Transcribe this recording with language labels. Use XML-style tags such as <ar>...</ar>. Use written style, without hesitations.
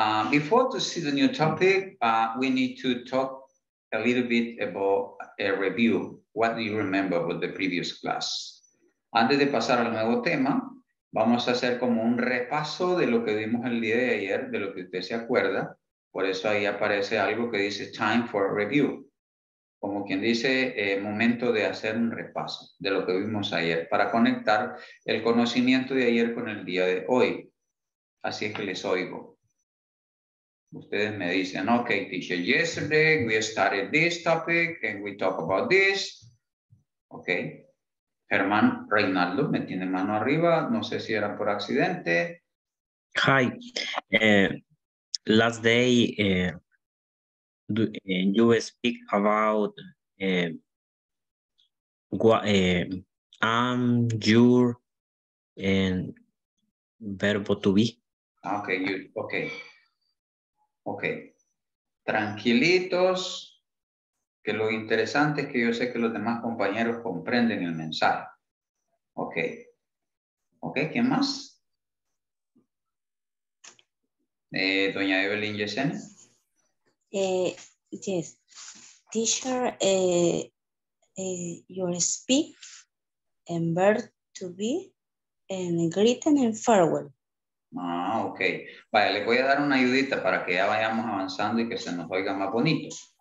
<en>Before to see the new topic, we need to talk a little bit about a review. What do you remember about the previous class?</en> <es>Antes de pasar al nuevo tema, Vamos a hacer como un repaso de lo que vimos el día de ayer, de lo que usted se acuerda. Por eso ahí aparece algo que dice</es> <en>time for review.</en> <es>Como quien dice, momento de hacer un repaso de lo que vimos ayer para conectar el conocimiento de ayer con el día de hoy. Así es que les oigo. Ustedes me dicen,</es> <en>ok, teacher, yesterday we started this topic and we talk about this.</en> <es>Ok. Germán Reinaldo me tiene mano arriba. No sé si era por accidente.</es> <en>Hi. Last day, you speak about am, your, and verbo to be. Okay, you, okay. Okay.</en> <es>Tranquilitos, que lo interesante es que yo sé que los demás compañeros comprenden el mensaje. Okay. Okay, ¿quién más? Doña Evelyn Yesen.</es> <en>Yes. Teacher, your speak and verb to be and greeting and farewell. Ah, ok.</en> <es>Vaya, le voy a dar una ayudita para que ya vayamos avanzando y que se nos oiga más bonito.</es>